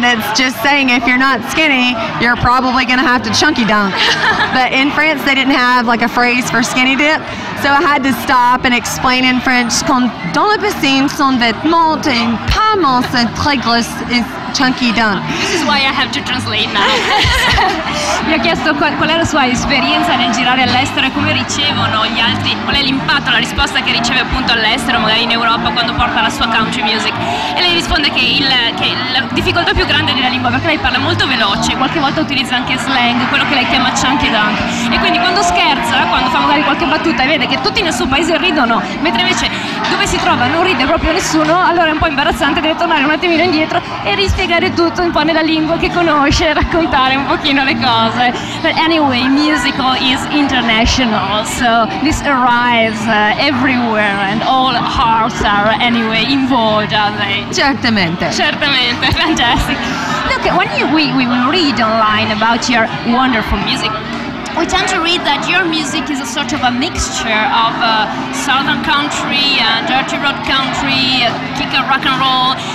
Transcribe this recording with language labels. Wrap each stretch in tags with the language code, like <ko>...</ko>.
<en>And it's just saying, if you're not skinny, you're probably going to have to chunky dunk. But in France, they didn't have like a phrase for skinny dip. So I had to stop and explain in French,</en> <fr>dans la piscine, son vêtement, et pas mal, c'est très gros,</fr> <en>is chunky dunk. This is why I have to translate now.</en> <it>Mi ha chiesto qual è la sua esperienza nel girare all'estero e come ricevono gli altri, qual è l'impatto, la risposta che riceve appunto all'estero, magari in Europa, quando porta la sua country music. E lei risponde che la difficoltà più grande della lingua, perché lei parla molto veloce, qualche volta utilizza anche slang, quello che lei chiama chunky dunk. E quindi quando scherza, quando fa magari qualche battuta e vede che tutti nel suo paese ridono, mentre invece dove si trova non ride proprio nessuno, allora è un po' imbarazzante, deve tornare un attimino indietro e spiegare tutto un po' nella lingua che conosce, raccontare un pochino le cose.</it> <en>But anyway, musical is international, so this arrives everywhere and all hearts are anyway involved, are they?</en> <it>Certamente,</it> <en>fantastic. Look, when we read online about your wonderful music, we tend to read that your music is a sort of a mixture of southern country and dirty road country, kick and rock and roll.</en>